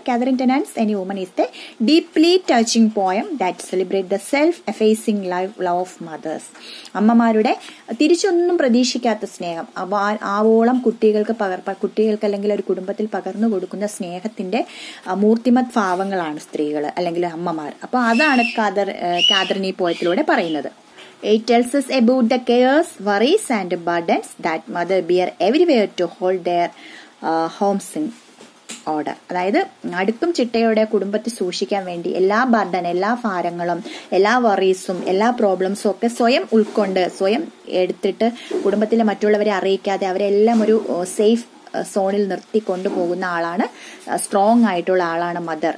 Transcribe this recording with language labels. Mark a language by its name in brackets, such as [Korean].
[English] Catherine Tynan's any woman is the deeply touching poem that celebrate the self effacing live love of mothers. [Malayalam] അമ്മമാരുടെ തിരിച്ചൊന്നും പ്രതീക്ഷിക്കാത്ത സ്നേഹം, ആവോളം കുട്ടികൾക്ക് കുട്ടികൾക്ക് അല്ലെങ്കിൽ ഒരു കുടുംബത്തിൽ പകർന്നു കൊടുക്കുന്ന സ്നേഹത്തിന്റെ മൂർത്തിമത് ഭാവങ്ങളാണ് സ്ത്രീകൾ അല്ലെങ്കിൽ അമ്മമാർ. അപ്പൊ അതാണ് കാതറിനി പോയത്തിലൂടെ പറയുന്നത്. [English] It tells us about the cares, worries and burdens that mother bear everywhere to hold their homes in order. [Malayalam] അതായത് അടുക്കും ചിട്ടയോടെ കുടുംബത്തെ സൂക്ഷിക്കാൻ വേണ്ടി എല്ലാ ബർഡൻ, എല്ലാ ഭാരങ്ങളും, എല്ലാ വറീസും, എല്ലാ പ്രോബ്ലംസും ഒക്കെ സ്വയം ഉൾക്കൊണ്ട്, സ്വയം എടുത്തിട്ട് കുടുംബത്തിലെ മറ്റുള്ളവരെ അറിയിക്കാതെ അവരെല്ലാം ഒരു സേഫ് സോണിൽ നിർത്തി കൊണ്ടുപോകുന്ന ആളാണ്, സ്ട്രോങ് ആയിട്ടുള്ള ആളാണ് മദർ.